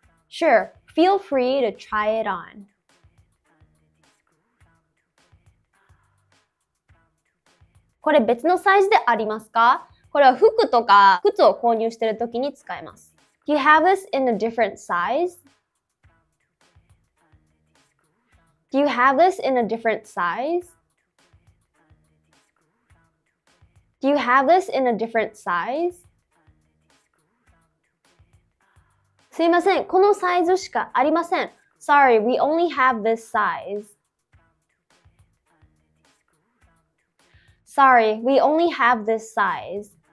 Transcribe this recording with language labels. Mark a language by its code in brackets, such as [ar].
[en] Sure, feel free to try it on. [ja] これ別のサイズでありますか？これは服とか靴を購入してるときに使えます。 [en] Do you have this in a different size? Do you have this in a different size? Do you have this in a different size? [ja] すいません、このサイズしかありません。 [en] Sorry, we only have this size. Sorry, we only have this size.